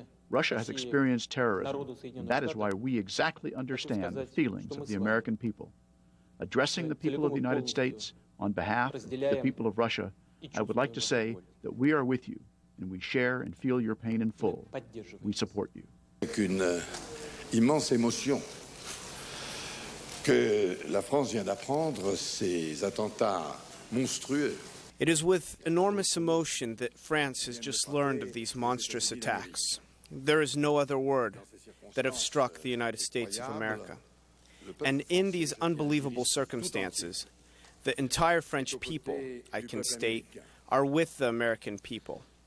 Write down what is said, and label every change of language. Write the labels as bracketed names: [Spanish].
[English] Russia has experienced terrorism, and that is why we exactly understand the feelings of the American people. Addressing the people of the United States on behalf of the people of Russia, I would like to say that we are with you, and we share and feel your pain in full. We support you. [French] Avec une immense émotion que la France vient d'apprendre ces attentats monstrueux. [English] It is with enormous emotion that France has just learned of these monstrous attacks. There is no other word that have struck the United States of America. And in these unbelievable circumstances, the entire French people, I can state, are with the American people.